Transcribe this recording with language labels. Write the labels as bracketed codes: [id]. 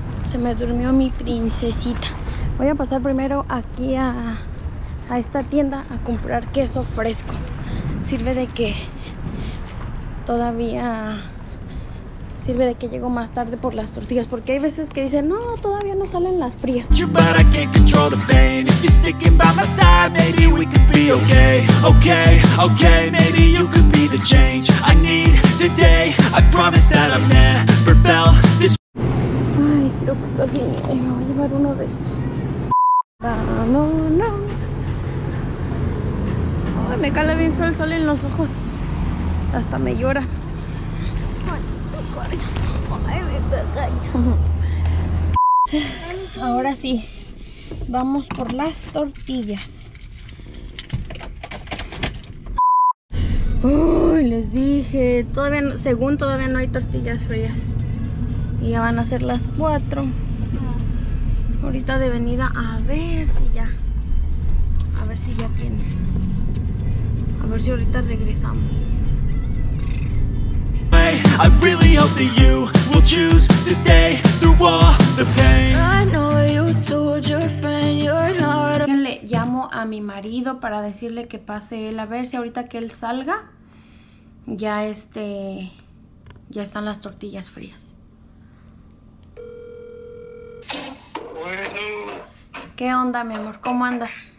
[es] Se me durmió mi princesita. Voy a pasar primero aquí a esta tienda a comprar queso fresco. Sirve de que todavía sirve de que llego más tarde por las tortillas porque hay veces que dicen no, todavía no salen las frías. [en] But I can't control the pain. If you're sticking by my side, maybe we could be okay. Okay, okay, maybe you could be the change I need today. I promise that I've never felt this. [es] Ay, creo que casi me voy a llevar uno de estos. No, no, no. Me cala bien feo el sol en los ojos. Hasta me llora. Ahora sí, vamos por las tortillas. Uy, les dije, todavía no, según todavía no hay tortillas frías. Y ya van a ser las 4. Ahorita de venida, a ver si ya tiene. A ver si ahorita regresamos. [en] I really hope that you will choose to stay through all the pain. I know you told your friend you're not a... [es] Le llamo a mi marido para decirle que pase él, a ver si ahorita que él salga ya ya están las tortillas frías. Bueno, ¿qué onda, mi amor? ¿Cómo andas?